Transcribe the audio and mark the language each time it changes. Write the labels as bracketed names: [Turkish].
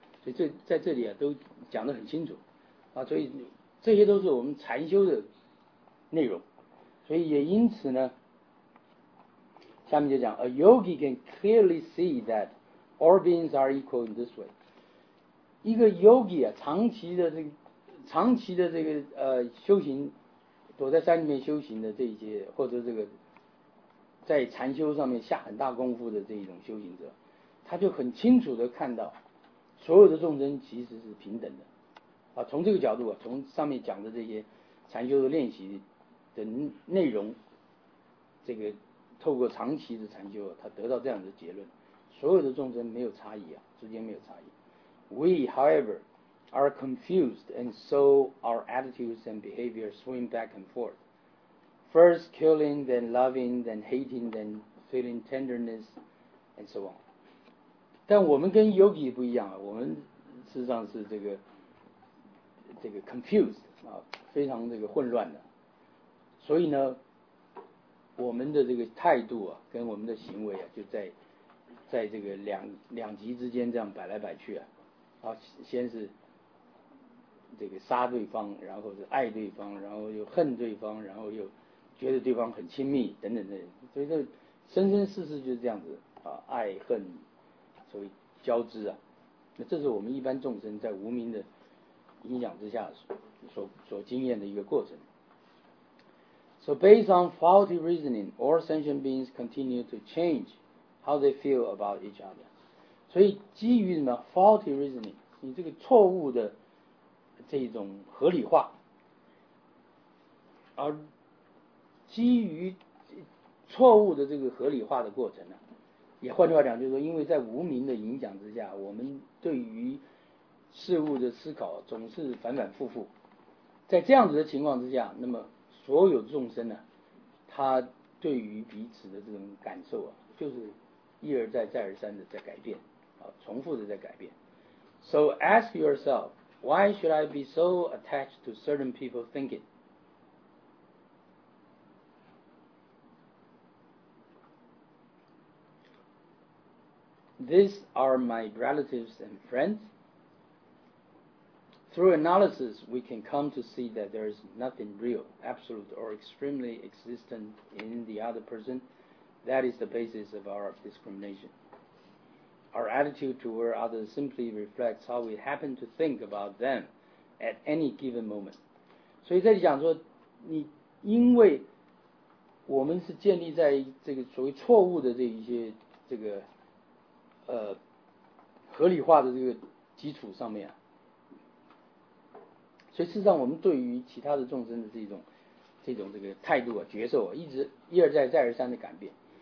[Chinese] 所以这在这里啊都讲得很清楚啊，所以这些都是我们禅修的内容。所以也因此呢，下面就讲 [English] A yogi can clearly see that all beings are equal in this way。 [Chinese] 一个 yogi 啊，长期的这个修行，躲在山里面修行的这一些，或者这个在禅修上面下很大功夫的这一种修行者，他就很清楚的看到所有的众生其实是平等的啊。从这个角度啊，从上面讲的这些禅修的练习的内容，这个透过长期的禅修，他得到这样的结论：所有的众生没有差异啊，之间没有差异。 [English] We, however, are confused, and so our attitudes and behavior swing back and forth. First killing, then loving, then hating, then feeling tenderness, and so on. [Chinese] 但我们跟 yogi 不一样啊，我们事实上是这个 confused 啊，非常这个混乱的。所以呢，我们的这个态度啊，跟我们的行为啊，就在这个两极之间这样摆来摆去啊。啊，先是这个杀对方，然后是爱对方，然后又恨对方，然后又觉得对方很亲密等等的。所以这生生世世就是这样子啊，爱恨所谓交织啊。那这是我们一般众生在无明的影响之下所经验的一个过程。 [English] So based on faulty reasoning, all sentient beings continue to change how they feel about each other. [Chinese] 所以基于什么 [English] faulty reasoning, [Chinese] 你这个错误的这种合理化，而基于错误的这个合理化的过程呢，也换句话讲就是说，因为在无明的影响之下，我们对于事物的思考总是反反复复。在这样子的情况之下，那么所有众生呢，他对于彼此的这种感受啊，就是一而再再而三的在改变啊，重复的在改变。 [English] So ask yourself, why should I be so attached to certain people thinking? These are my relatives and friends. Through analysis, we can come to see that there is nothing real, absolute, or extremely existent in the other person. That is the basis of our discrimination. Our attitude toward others simply reflects how we happen to think about them at any given moment. [Chinese] 所以这里讲说，你因为我们是建立在这个所谓错误的这一些这个合理化的这个基础上面啊，所以事实上我们对于其他的众生的这种这个态度啊、觉受啊，一直一而再再而三的改变。